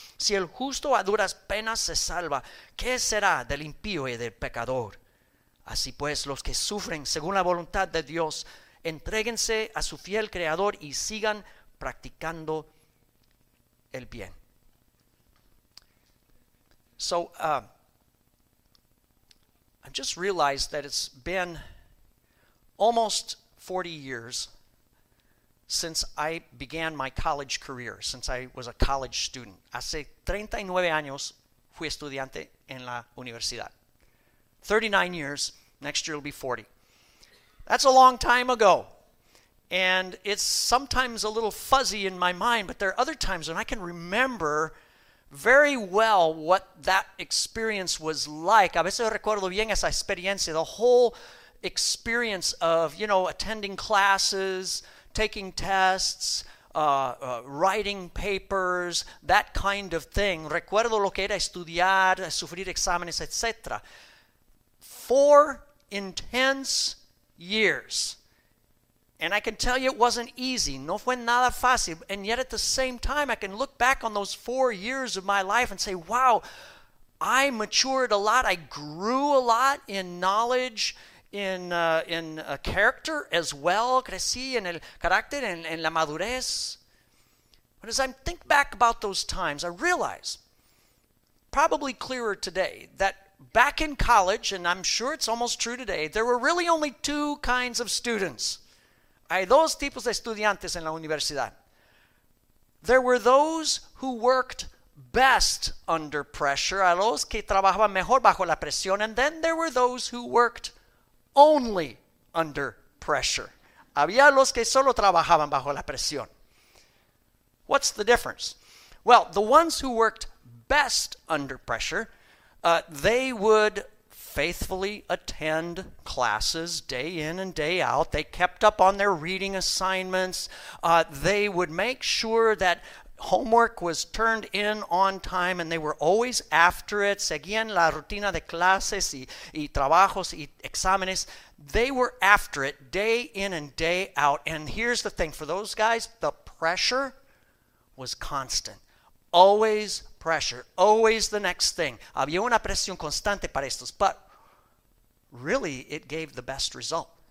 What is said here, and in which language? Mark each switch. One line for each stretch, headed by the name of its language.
Spanish: Si el justo a duras penas se salva, ¿qué será del impío y del pecador? Así pues, los que sufren según la voluntad de Dios, entréguense a su fiel Creador y sigan practicando el bien.
English: So, I just realized that it's been almost 40 years since I began my college career, since I was a college student.
Spanish: Hace 39 años fui estudiante en la universidad.
English: 39 years, next year will be 40. That's a long time ago. And it's sometimes a little fuzzy in my mind, but there are other times when I can remember very well what that experience was like.
Spanish: A veces recuerdo bien esa experiencia,
English: the whole experience of, you know, attending classes, taking tests, writing papers, that kind of thing.
Spanish: Recuerdo lo que era estudiar, sufrir exámenes, etc.
English: 4 intense years. And I can tell you it wasn't easy.
Spanish: No fue nada fácil.
English: And yet at the same time, I can look back on those 4 years of my life and say, wow, I matured a lot. I grew a lot in knowledge, in character as well.
Spanish: Crecí en el carácter, en la madurez.
English: But as I think back about those times, I realize, probably clearer today, that back in college, and I'm sure it's almost true today, there were really only 2 kinds of students.
Spanish: Hay dos tipos de estudiantes en la universidad.
English: There were those who worked best under pressure,
Spanish: a los que trabajaban mejor bajo la presión,
English: and then there were those who worked only under pressure.
Spanish: Había los que solo trabajaban bajo la presión.
English: What's the difference? Well, the ones who worked best under pressure, they would faithfully attend classes day in and day out. They kept up on their reading assignments. They would make sure that homework was turned in on time, and they were always after it.
Spanish: Seguían la rutina de clases y trabajos y exámenes.
English: They were after it day in and day out. And here's the thing. For those guys, the pressure was constant. Always pressure. Always the next thing.
Spanish: Había una presión constante para estos.
English: But really, it gave the best result.